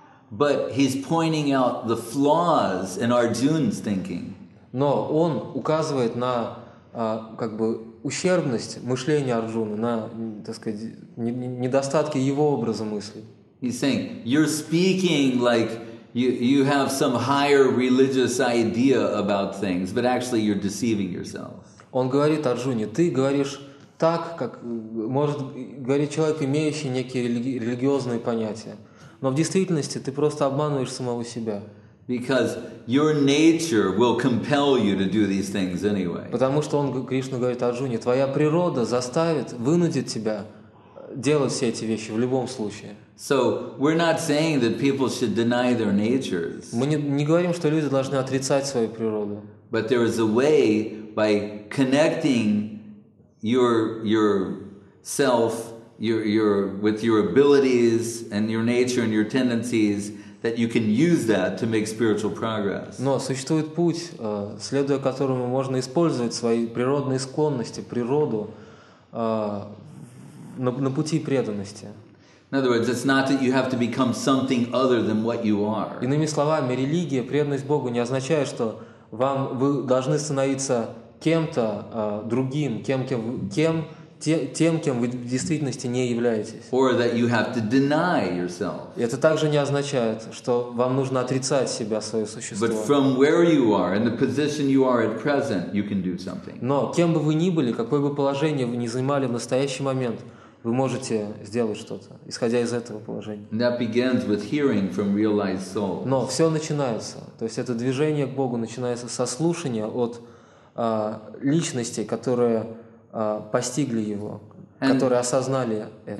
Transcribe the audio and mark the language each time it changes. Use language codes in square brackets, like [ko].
[en] But he's pointing out the flaws in Arjuna's thinking. [ru] Но он указывает на как бы ущербность мышления Арджуны, на, так сказать, недостатки его образа мысли. [en] He's saying, you're speaking like you have some higher religious idea about things, but actually you're deceiving yourself. [ru] Он говорит Арджуне, ты говоришь так, как может говорить человек, имеющий некие религиозные понятия, но в действительности ты просто обманываешь самого себя. [en] Because your nature will compel you to do these things anyway. [ru] Потому что он Кришна говорит Арджуне, твоя природа заставит, вынудит тебя делать все эти вещи в любом случае. [en] So we're not saying that people should deny their natures. [ru] Мы не говорим, что люди должны отрицать свою природу. [en] But there is a way by connecting yourself, your with your abilities and your nature and your tendencies that you can use that to make spiritual progress. [ru] Но существует путь, следуя которому можно использовать свои природные склонности, природу на пути преданности. [en] In other words, it's not that you have to become something other than what you are. [ru] Иными словами, религия, преданность Богу не означает, что вам вы должны становиться кем-то другим, тем, кем вы в действительности не являетесь. [en] Or that you have to deny yourself. [ru] Это также не означает, что вам нужно отрицать себя, свое существо. [en] But from where you are and the position you are at present, you can do something. [ru] Но кем бы вы ни были, какое бы положение вы ни занимали в настоящий момент, вы можете сделать что-то, исходя из этого положения. [en] And that begins with hearing from realized souls. [ru] Но все начинается, то есть это движение к Богу начинается со слушания от личности, которые постигли его, которые осознали это.